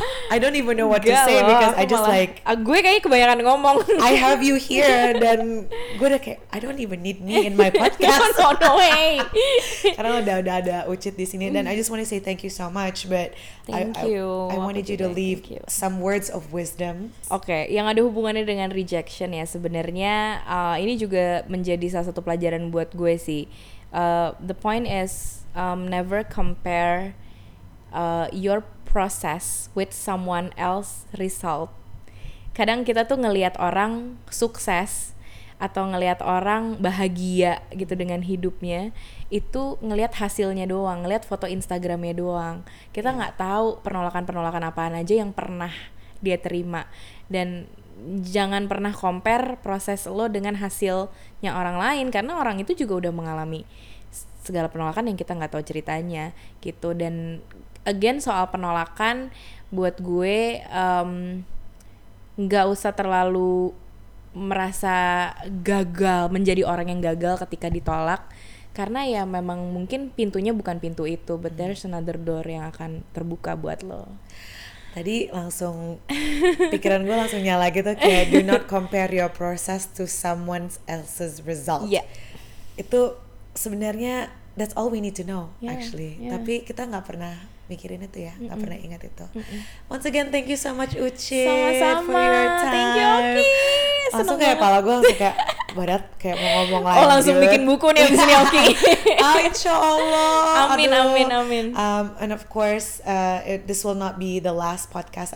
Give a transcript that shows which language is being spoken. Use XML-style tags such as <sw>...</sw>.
<en>I don't even know what to say because I just malah, like</en> <id>gue kayak kebanyakan ngomong.</id> <en>I have you here</en> <id>dan gue udah kayak</id> <en>I don't even need me in my podcast. No way.</en> <id>Karena udah ada Ucit di sini dan</id> <en>I just want to say thank you so much but thank you. I wanted you to leave some words of wisdom.</en> <id>Okay, yang ada hubungannya dengan rejection ya sebenarnya ini juga menjadi salah satu pelajaran buat gue sih.</id> <en>The point is never compare your process with someone else result.</en> <id>Kadang kita tuh ngelihat orang sukses atau ngelihat orang bahagia gitu dengan hidupnya itu ngelihat hasilnya doang, ngelihat foto Instagramnya doang. Kita nggak tahu penolakan-penolakan apaan aja yang pernah dia terima. Dan jangan pernah compare proses lo dengan hasilnya orang lain karena orang itu juga udah mengalami segala penolakan yang kita nggak tahu ceritanya gitu. Dan again soal penolakan buat gue nggak usah terlalu merasa gagal, menjadi orang yang gagal ketika ditolak karena ya memang mungkin pintunya bukan pintu itu</id> <en>but there's another door</en> <id>yang akan terbuka buat lo. Tadi langsung pikiran gue langsung nyala gitu kayak</id> <en>do not compare your process to someone else's result. Yeah.</en> <id>Itu sebenarnya</id> <en>that's all we need to know actually. Yeah.</en> <id>Tapi kita gak pernah mikirin itu ya, nggak pernah ingat itu. Mm-mm.</id> <en>Once again, thank you so much Uci for your time. Thank you, Oki.</en> <id>Langsung kayak pala gue langsung kayak Barat kayak mau ngomong lagi. Oh, langsung bikin buku nih di sini. Oke.</id> <en>Okay. Insyaallah.</en> <id>Amin. Aduh. Amin, amin.</id> <en>And of course, this will not be the last podcast.</en>